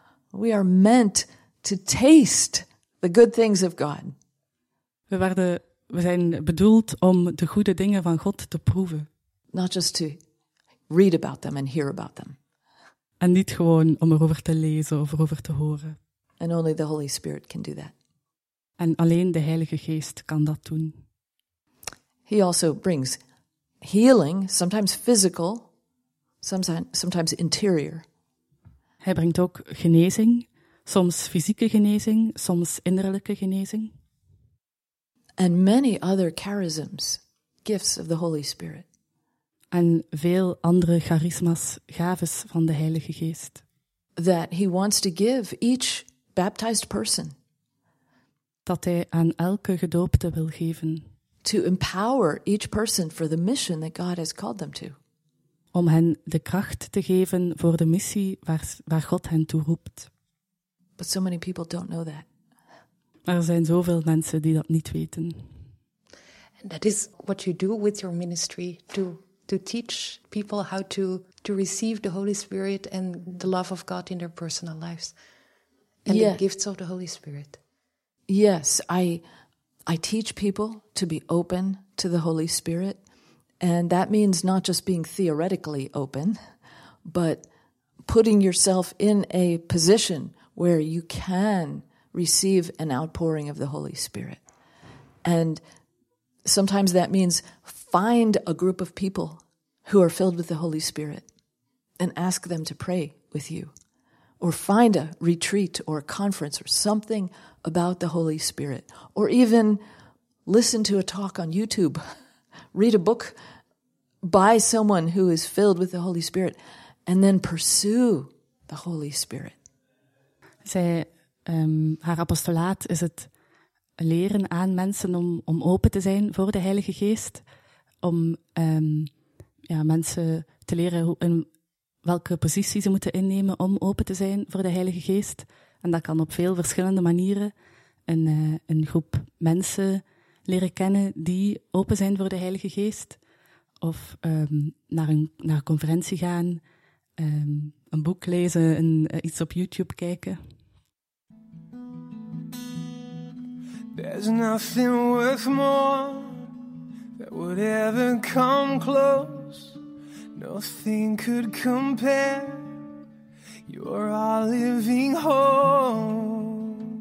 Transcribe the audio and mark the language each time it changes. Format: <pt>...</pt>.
<en>We are meant to taste the good things of God.</en> <nl>We zijn bedoeld om de goede dingen van God te proeven.</nl> <en>Not just to read about them and hear about them.</en> <nl>En niet gewoon om erover te lezen of erover te horen.</nl> <en>And only the Holy Spirit can do that.</en> <nl>En alleen de Heilige Geest kan dat doen.</nl> <en>He also brings healing, sometimes physical, sometimes interior.</en> <nl>Hij brengt ook genezing, soms fysieke genezing, soms innerlijke genezing.</nl> <en>And many other charisms, gifts of the Holy Spirit.</en> <nl>En veel andere charisma's, gaves van de Heilige Geest.</nl> <en>That he wants to give each baptized person.</en> <nl>Dat hij aan elke gedoopte wil geven.</nl> <en>To empower each person for the mission that God has called them to.</en> <nl>Om hen de kracht te geven voor de missie waar God hen toe roept.</nl> <en>But so many people don't know that.</en> <nl>Maar er zijn zoveel mensen die dat niet weten.</nl> <en>And that is what you do with your ministry, to teach people how to receive the Holy Spirit and the love of God in their personal lives. And yes. The gifts of the Holy Spirit. Yes, I teach people to be open to the Holy Spirit. And that means not just being theoretically open, but putting yourself in a position where you can receive an outpouring of the Holy Spirit. And sometimes that means find a group of people who are filled with the Holy Spirit and ask them to pray with you. Or find a retreat or a conference or something about the Holy Spirit. Or even listen to a talk on YouTube. Read a book by someone who is filled with the Holy Spirit. And then pursue the Holy Spirit.</en> <nl>Zij, haar apostolaat is het leren aan mensen om open te zijn voor de Heilige Geest. Om mensen te leren hoe welke positie ze moeten innemen om open te zijn voor de Heilige Geest. En dat kan op veel verschillende manieren. Een groep mensen leren kennen die open zijn voor de Heilige Geest. Of naar een conferentie gaan, een boek lezen, iets op YouTube kijken.</nl> <en>There's nothing worth more that would ever come close. Nothing could compare. You're our living hope.</en>